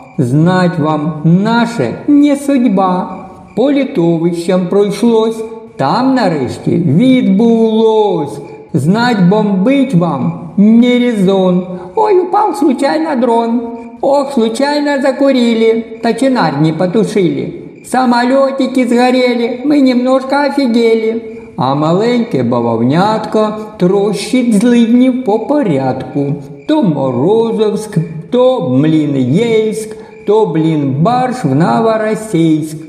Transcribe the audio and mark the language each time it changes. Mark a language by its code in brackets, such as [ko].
[ru] Знать вам наше не судьба. [uk] По літовищам пройшлось, там нарешті відбулось. [ru] Знать бомбить вам не резон. Ой, упав случайно дрон. Ох, случайно закурили, тачинар не потушили. Самолетики згорели, ми немножко офігели. [uk] А маленьке бавовнятко трощить злидні по порядку. То Морозовськ, то блін Єльськ, то блін барж в Новоросійськ.